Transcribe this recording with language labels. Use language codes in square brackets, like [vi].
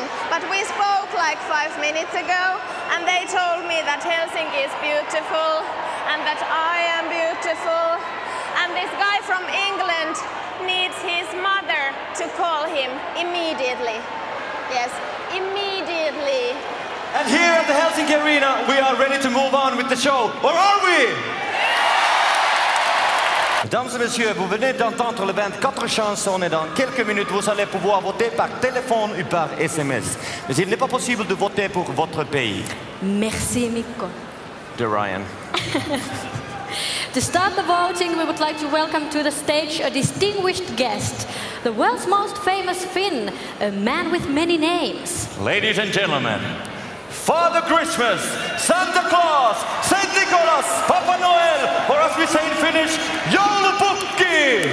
[en] But we spoke like 5 minutes ago, and they told me that Helsinki is beautiful and that I am beautiful. And this guy from England needs his mother to call him immediately. Yes, immediately. And here at the Helsinki Arena, we are ready to move on with the show. Or are we? [fr] Mesdames et messieurs, vous venez d'entendre les 24 chansons et dans quelques minutes, vous allez pouvoir voter par téléphone ou par SMS. Mais il n'est pas possible de voter pour votre pays. Merci, Mikko. De Ryan. [en] To start the voting, we would like to welcome to the stage a distinguished guest, the world's most famous Finn, a man with many names. Ladies and gentlemen, Father Christmas, Santa Claus, Saint Nicholas, Papa Noel, or as we say in Finnish, joulupukki!